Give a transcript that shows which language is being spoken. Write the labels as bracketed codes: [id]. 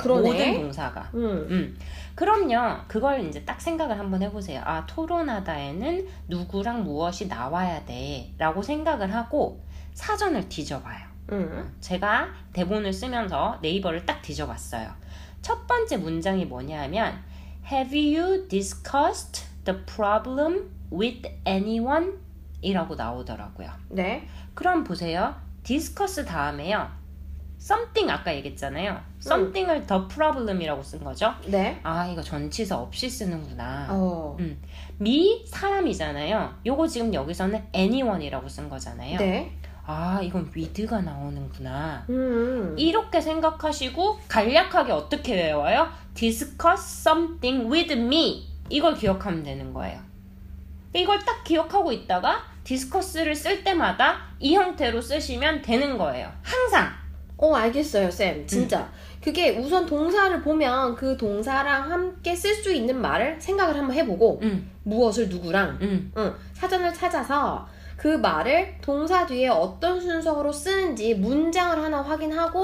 [ko] 그러네. 모든 동사가. 그럼요. 그걸 이제 딱 생각을 한번 해보세요. 아, 토론하다에는 누구랑 무엇이 나와야 돼 라고 생각을 하고 사전을 뒤져봐요. 제가 대본을 쓰면서 네이버를 딱 뒤져봤어요. 첫 번째 문장이 뭐냐면 [en] Have you discussed the problem with anyone? [ko] 이라고 나오더라고요. 네. 그럼 보세요. discuss 다음에요. something 아까 얘기했잖아요. something을 the problem이라고 쓴 거죠. 네. 아, 이거 전치사 없이 쓰는구나. 어. me 사람이잖아요. 요거 지금 여기서는 anyone이라고 쓴 거잖아요. 네. 아, 이건 with가 나오는구나. 이렇게 생각하시고 간략하게 어떻게 외워요? [en] discuss something with me. [ko] 이걸 기억하면 되는 거예요. 이걸 딱 기억하고 있다가 디스커스를 쓸 때마다 이 형태로 쓰시면 되는 거예요. 항상! 어, 알겠어요, 쌤. 진짜. 그게 우선 동사를 보면 그 동사랑 함께 쓸 수 있는 말을 생각을 한번 해보고 무엇을 누구랑 사전을 찾아서 그 말을 동사 뒤에 어떤 순서로 쓰는지 문장을 하나 확인하고